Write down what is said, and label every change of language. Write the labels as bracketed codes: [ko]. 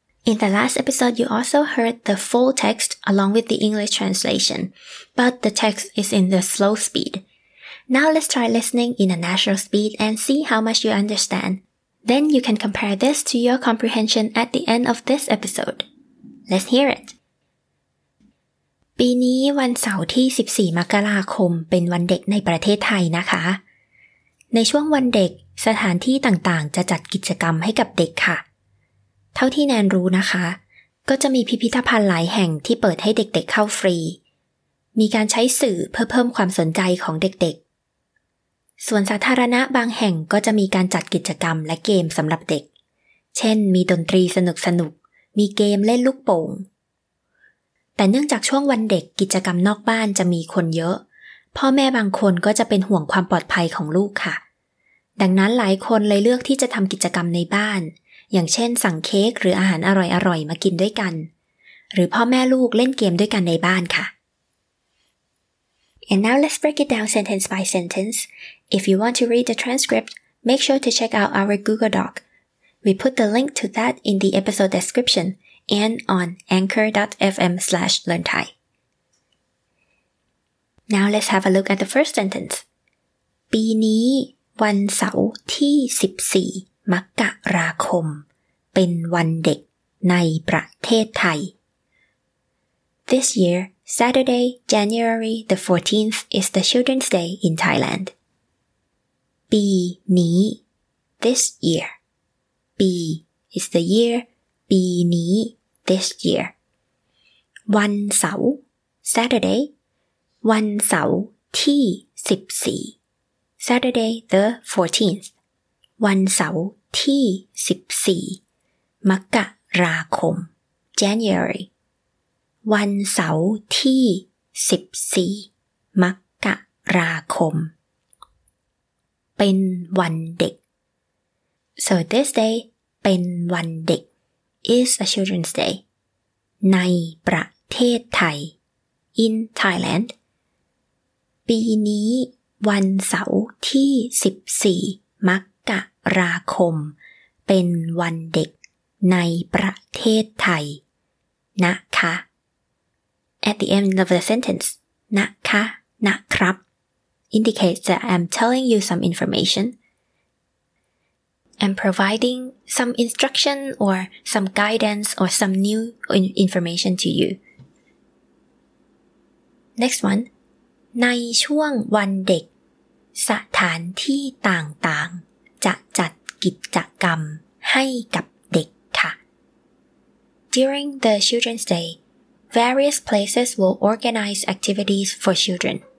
[en] In the last episode you also heard the full text along with the English translation but the text is in the slow speed Now let's try listening in a natural speed and see how much you understand Then you can compare this to your comprehension at the end of this episode Let's hear it [th] ปีนี้วันเสาร์ที่14มกราคมเป็นวันเด็กในประเทศไทยนะคะในช่วงวันเด็กสถานที่ต่างๆจะจัดกิจกรรมให้กับเด็กค่ะเท่าที่แนนรู้นะคะก็จะมีพิพิธภัณฑ์หลายแห่งที่เปิดให้เด็กๆ เข้าฟรีมีการใช้สื่อเพื่อเพิ่มความสนใจของเด็กๆส่วนสาธารณะบางแห่งก็จะมีการจัดกิจกรรมและเกมสำหรับเด็กเช่นมีดนตรีสนุกๆมีเกมเล่นลูกโป่ง แต่เนื่องจากช่วงวันเด็กกิจกรรมนอกบ้านจะมีคนเยอะพ่อแม่บางคนก็จะเป็นห่วงความปลอดภัยของลูกค่ะดังนั้นหลายคนเลยเลือกที่จะทำกิจกรรมในบ้านอย่างเช่นสั่งเค้กหรืออาหารอร่อยๆมากินด้วยกันหรือพ่อแม่ลูกเล่นเกมด้วยกันในบ้านค่ะ [en] And now let's break it down sentence by sentence If you want to read the transcript make sure to check out our Google Doc We put the link to that in the episode descriptionand on anchor.fm/learnthai. Now let's have a look at the first sentence. [th] ปีนี้วันเสาร์ที่14มกราคมเป็นวันเด็กในประเทศไทย [en] This year, Saturday, January the 14th is the Children's Day in Thailand. [th] ปีนี้ [en] This year. ปี is the year. [th] ปีนี้ [en] This year. [th] วันเสาร์ Saturday. วันเสาร์ที่14 [en] Saturday the 14th. [th] วันเสาร์ที่14มกราคม [en] January. [th] วันเสาร์ที่14มกราคมเป็นวันเด็ก [en] So this day [th] เป็นวันเด็ก [en] Is a Children's Day. [th] ในประเทศไทย in Thailand. ปีนี้วันเสาร์ที่14มกราคมเป็นวันเด็กในประเทศไทยนะคะ [en] At the end of the sentence, [th] นะคะนะครับ [en] indicates that I'm telling you some information. I'm providing some instruction or some guidance or some new information to you. Next one. [th] ในช่วงวันเด็กสถานที่ต่างๆจะจัดกิจกรรมให้กับเด็กค่ะ [en] During the Children's Day, various places will organize activities for children.